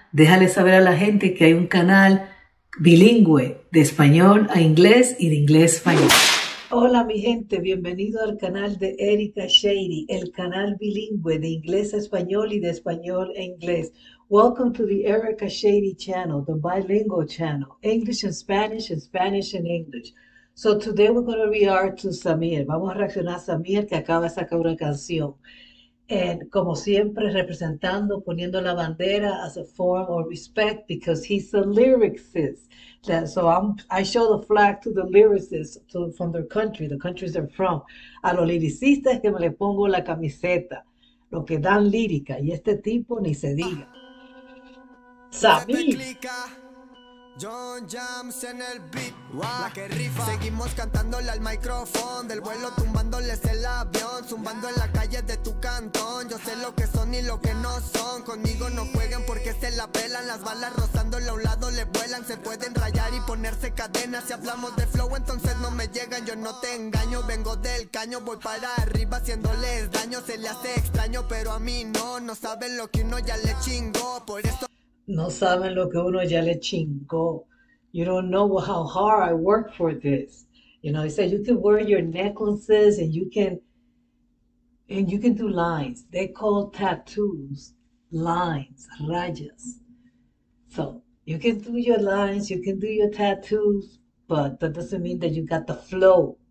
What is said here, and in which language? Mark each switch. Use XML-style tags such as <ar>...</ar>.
<es>Déjale saber a la gente que hay un canal bilingüe de español a inglés y de inglés a español. Hola mi gente, bienvenido al canal de Erika Shady, el canal bilingüe de inglés a español y de español a inglés.</es> <en>Welcome to the Erika Shady channel, the bilingual channel, English and Spanish and English. So today we're going to react to Zxmyr.</en> <es>Vamos a reaccionar a Zxmyr que acaba de sacar una canción.</es> <en>And</en> <es>como siempre, representando, poniendo la bandera</es> <en>as a form of respect because he's the lyricist. That, so I show the flag to the lyricists from their country, the countries they're from.</en> <es>A los lyricistas que me le pongo la camiseta, lo que dan lírica. Y este tipo ni se diga. Zxmyr. John Jams en el beat, la que rifa. Seguimos cantándole al micrófono del vuelo, tumbándoles el avión, zumbando en la calle de tu cantón. Yo sé lo que son y lo que no son. Conmigo no jueguen porque se la pelan. Las balas rozándole a un lado le vuelan. Se pueden rayar y ponerse cadenas. Si hablamos de flow entonces no me llegan. Yo no te engaño, vengo del caño. Voy para arriba haciéndoles daño. Se le hace extraño pero a mí no. No saben lo que uno ya le chingó. Por eso... No saben lo que uno ya le chingó.</es> <en>You don't know how hard I work for this. You know, he said you can wear your necklaces and you can do lines. They call tattoos lines, rayas. So you can do your lines, you can do your tattoos, but that doesn't mean that you got the flow.</en>